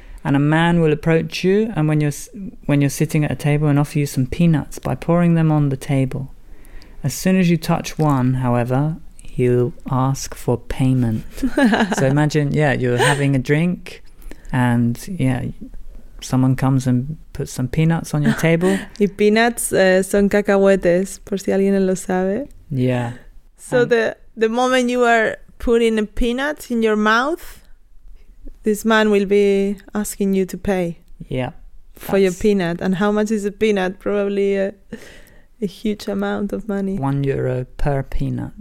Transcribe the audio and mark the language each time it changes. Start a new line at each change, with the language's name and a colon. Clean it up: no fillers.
English: And a man will approach you, and when you're sitting at a table, and offer you some peanuts by pouring them on the table. As soon as you touch one, however, he'll ask for payment. So imagine, you're having a drink, and, someone comes and puts some peanuts on your table.
Spanish: Y peanuts son cacahuetes, por si alguien lo sabe.
English: Yeah. So the moment you are putting a peanut in your mouth, this man will be asking you to pay. Yeah. For your peanut. And how much is a peanut? Probably a huge amount of money. €1 per peanut.